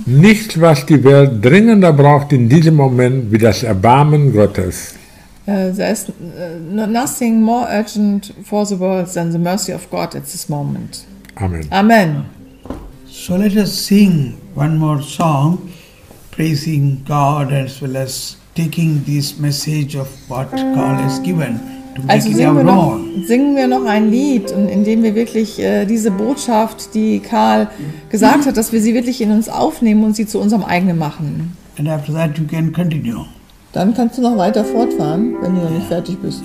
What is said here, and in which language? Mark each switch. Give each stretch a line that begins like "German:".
German: Nichts, was die Welt dringender braucht in diesem Moment, wie das Erbarmen Gottes.
English: There is nothing more urgent for the world than the mercy of God at this moment. Amen. Amen. So let us sing one more song, praising God as well as taking this message of what God has given.
German: Also singen wir noch ein Lied, in dem wir wirklich diese Botschaft, die Karl gesagt hat, dass wir sie wirklich in uns aufnehmen und sie zu unserem eigenen machen.
English: And after that you can continue.
German: Dann kannst du noch weiter fortfahren, wenn du noch nicht fertig bist.